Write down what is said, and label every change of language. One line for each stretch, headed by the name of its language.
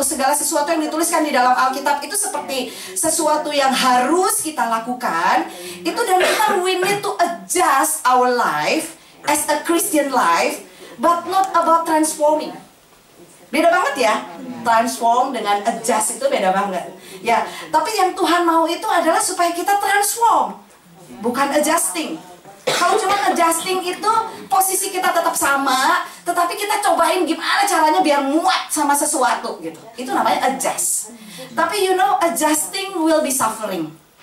Indonesian: Segala sesuatu yang dituliskan di dalam Alkitab itu seperti sesuatu yang harus kita lakukan. Itu dan kita
English: we need to adjust our life as a Christian life, but not about transforming.
Indonesian: Beda banget ya, transform dengan adjust itu beda banget. Ya, tapi yang Tuhan mau itu adalah supaya kita transform, bukan adjusting. Kalau cuma adjusting itu posisi kita tetap sama, tetapi kita cobain gimana caranya biar muat sama sesuatu gitu. Itu namanya adjust. Tapi
English: you know adjusting will be suffering.